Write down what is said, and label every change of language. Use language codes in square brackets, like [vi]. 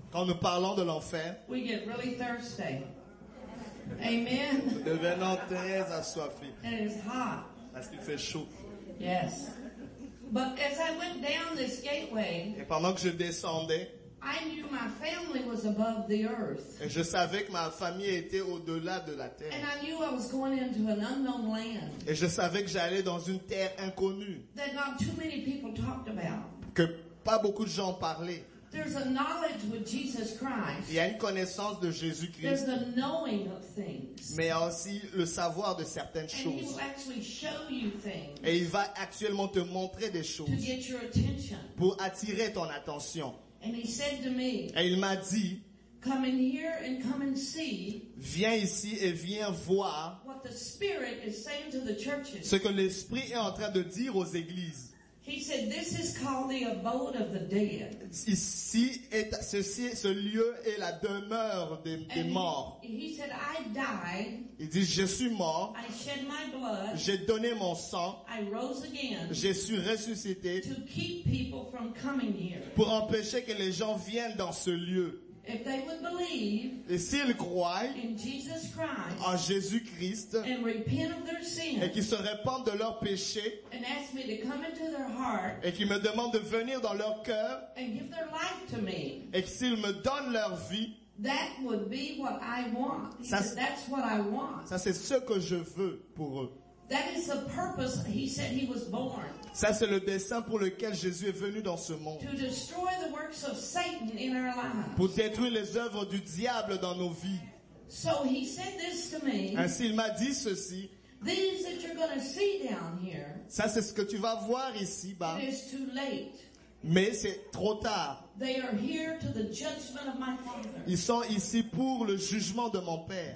[fr] quand nous parlons de l'enfer, [en] we get really thirsty. Amen. [fr] Nous devenons très assoiffés. [en] And it's hot. [fr] Parce qu'il fait chaud. [en] Yes. But as I went down this gateway, [fr] et pendant que je descendais, [en] I knew my family was above the earth. [fr] Et je savais que ma famille était au-delà de la terre. [en] And I knew I was going into an unknown land. [fr] Et je savais que j'allais dans une terre inconnue. [en] That not too many people talked about. [fr] Que pas beaucoup de gens parlaient. [en] There's a knowledge with Jesus Christ. [fr] Il y a une connaissance de Jésus-Christ. [en] There's a knowing of things. [fr] Mais aussi le savoir de certaines [en] and [fr] choses. [en] He will actually show you things. [fr] Et il va actuellement te montrer des choses. [en] To get your attention. [fr] Pour attirer ton attention. [en] And he said to me, [fr] et il m'a dit, [en] come in here and come and see. [fr] Viens ici et viens voir. [en] What the Spirit is saying to the churches. [fr] Ce que l'Esprit est en train de dire aux églises. [en] He said, "This is called the abode of the dead." [fr] Ici est ceci, ce lieu est la demeure des morts. [en] He said, "I died." [fr] Il dit, je suis mort. [en] I shed my blood. [fr] J'ai donné mon sang. [en] I rose again. [fr] Je suis ressuscité. [en] To keep people from coming here. [fr] Pour empêcher que les gens viennent dans ce lieu. [en] If they would believe, [fr] et s'ils croient [en] in Jesus Christ, [fr] en Jésus-Christ [en] and repent of their sins, [fr] et qu'ils se repentent de leurs péchés [en] and ask me to come into their heart, [fr] et qu'ils me demandent de venir dans leur cœur [en] and give their life to me, [fr] et que s'ils me donnent leur vie, [en] that would be what I want. [fr] Ça, [en] that's what I want. [fr] Ça, c'est ce que je veux pour eux. [en] That is the purpose he said he was born. [fr] Ça c'est le dessein pour lequel Jésus est venu dans ce monde. [en] To destroy the works of Satan in our lives. [fr] Pour détruire les œuvres du diable dans nos vies. [en] So he said this to me. [fr] Ainsi il m'a dit ceci. [en] These that you're going to see down here. [fr] Ça c'est ce que tu vas voir ici bas. [en] It is too late. [fr] Mais c'est trop tard. [en] They are here to the judgment of my father. [fr] Ils sont ici pour le jugement de mon père.